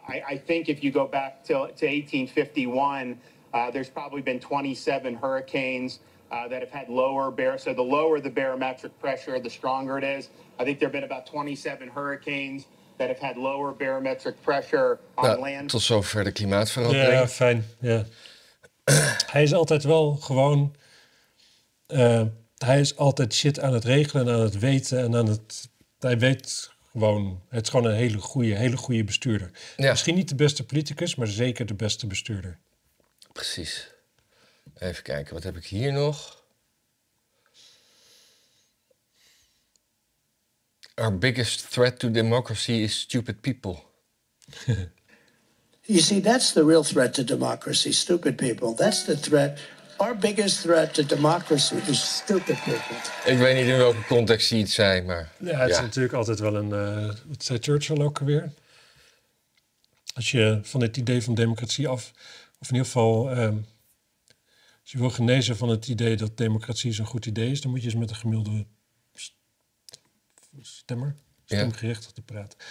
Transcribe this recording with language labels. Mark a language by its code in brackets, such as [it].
[en] I think if you go back to 1851, there's probably been 27 hurricanes that have had so the lower the barometric pressure, the stronger it is. I think there have been about 27 hurricanes that have had lower barometric pressure on land. [nl] Tot zover de klimaatverandering. Ja, fijn. Ja. Hij is altijd wel gewoon... hij is altijd shit aan het regelen, aan het weten en aan het... Hij weet gewoon... Het is gewoon een hele goede bestuurder. Ja. Misschien niet de beste politicus, maar zeker de beste bestuurder. Precies. Even kijken, wat heb ik hier nog? [en] Our biggest threat to democracy is stupid people. You see, that's the real threat to democracy, stupid people. That's the threat. Our biggest threat to democracy is stupid people. [nl] Ik weet niet in welke context hij iets zei, maar... Ja, het is natuurlijk altijd wel een... Wat zei Churchill ook alweer? Als je van het idee van democratie af... Of in ieder geval... Als je wil genezen van het idee dat democratie zo'n goed idee is, dan moet je eens met een gemiddelde stemmer, stemgerechtigde praten.